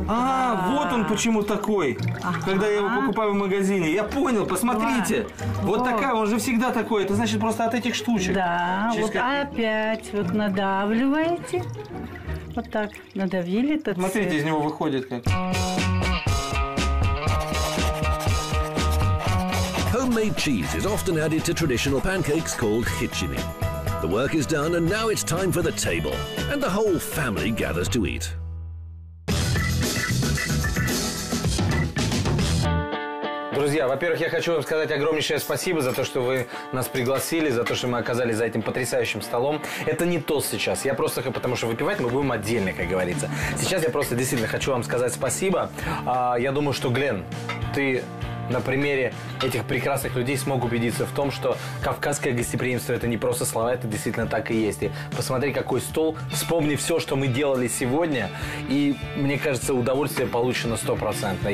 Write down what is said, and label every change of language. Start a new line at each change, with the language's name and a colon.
Russian: А, вот он почему такой. Когда я его покупаю в магазине. Я понял, посмотрите. Вот такая, он же всегда такой. Это значит просто от этих штучек. Да, вот опять вот надавливаете. Вот так надавили этот сыр. Смотрите, из него выходит как...
English: Homemade cheese is often added to traditional pancakes called hitchini. The work is done and now it's time for the table. And the whole family gathers to eat. Good
Russian: Друзья, во-первых, я хочу вам сказать огромнейшее спасибо за то, что вы нас пригласили, за то, что мы оказались за этим потрясающим столом. Это не тост сейчас. Я просто, потому что выпивать мы будем отдельно, как говорится. Сейчас я просто действительно хочу вам сказать спасибо. Я думаю, что, Глен, ты на примере этих прекрасных людей смог убедиться в том, что кавказское гостеприимство – это не просто слова, это действительно так и есть. И посмотри, какой стол, вспомни все, что мы делали сегодня, и, мне кажется, удовольствие получено 100%.